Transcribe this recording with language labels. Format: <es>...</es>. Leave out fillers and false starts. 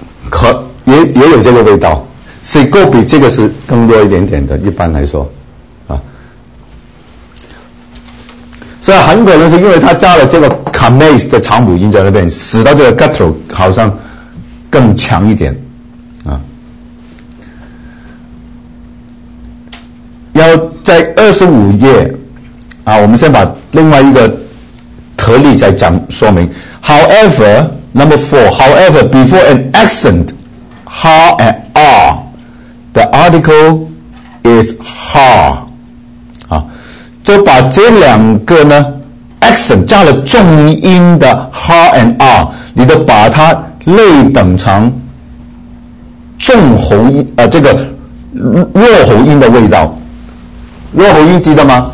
<zh>可也有这个味道，是够比这个是更弱一点点的。一般来说，啊，所以很可能是因为他加了这个 commas 的长母音在那边，使到这个 guttural 好像更强一点，啊。要在二十五页啊，我们先把另外一个特例再讲说明。</zh> <en>However, number four, however, before an accent, ha and r, the article is ha。</en> <zh>啊，就把这两个呢 accent 加了重音的 ha and r， 你都把它类等成重喉音，这个弱喉音的味道。弱喉音记得吗？</zh>